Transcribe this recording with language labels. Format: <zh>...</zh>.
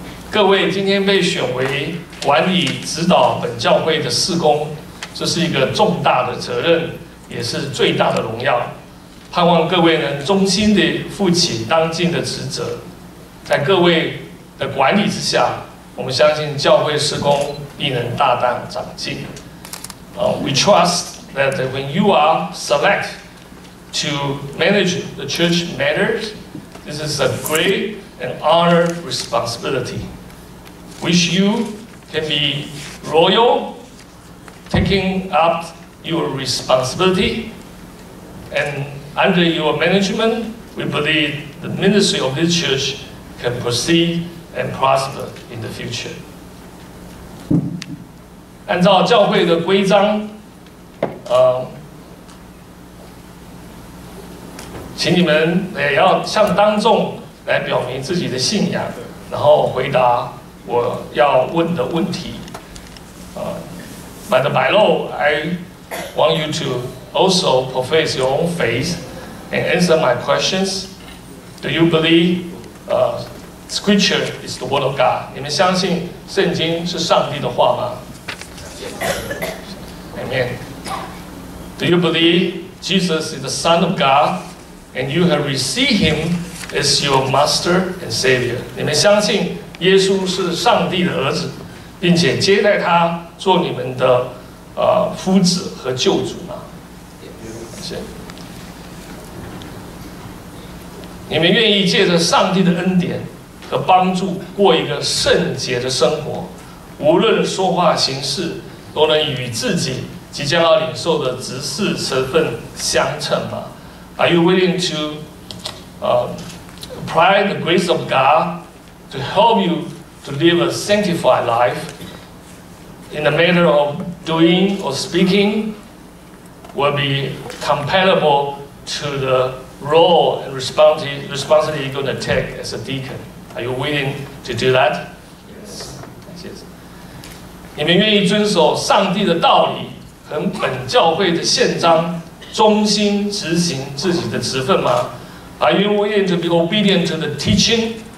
<zh>各位今天被选为管理指导本教会的事工，这是一个重大的责任，也是最大的荣耀。盼望各位能忠心地负起当今的职责，在各位的管理之下，我们相信教会事工必能大大长进。</zh> <en>We trust that when you are select to manage the church matters, this is a great and honor responsibility. Wish you can be royal, taking up your responsibility. And under your management, we believe the ministry of this church can proceed and prosper in the future.</en> <zh>按照教会的规章，请你们也要向当众来表明自己的信仰，然后回答我要问的问题。</zh> <en>By the bylaw, I want you to also profess your own faith and answer my questions. Do you believe Scripture is the Word of God?</en> <zh>你们相信圣经是上帝的话吗？</zh> <en>Amen. Do you believe Jesus is the Son of God and you have received Him as your Master and Savior?</en> <zh>你们相信耶稣是上帝的儿子，并且接待他做你们的夫子和救主吗？是。你们愿意借着上帝的恩典和帮助过一个圣洁的生活，无论说话行事都能与自己即将要领受的执事身份相称吗？</zh> <en>Are you willing to apply the grace of GodTo help you to live a sanctified life in the manner of doing or speaking will be compatible to the role and responsibility you're going to take as a deacon. Are you willing to do that? Yes.</en> <zh>感谢主。你们愿意遵守上帝的道理和本教会的宪章，忠心执行自己的职分吗？</zh> <en>Are you willing to be obedient to the teaching?</en>